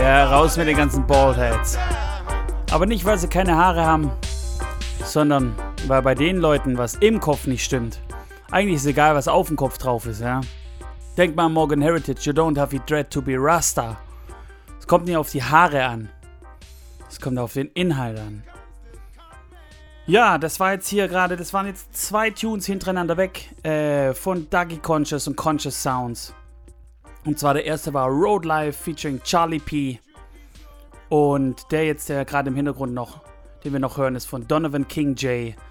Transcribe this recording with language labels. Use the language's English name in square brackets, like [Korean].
[German] aus mit den ganzen Baldheads. Aber nicht, weil sie keine Haare haben, sondern weil bei den Leuten was im Kopf nicht stimmt. Eigentlich ist es egal, was auf dem Kopf drauf ist, ja. Denk mal an [English] Morgan Heritage, you don't have the dread to be Rasta. [German] Es kommt nicht auf die Haare an. Es kommt auf den Inhalt an. Ja, das war jetzt hier gerade, das waren jetzt zwei Tunes hintereinander weg von Dougie Conscious und Conscious Sounds. Und zwar der erste war Road Life featuring Charlie P. Und der jetzt, der gerade im Hintergrund noch, den wir noch hören, ist von Donovan King J.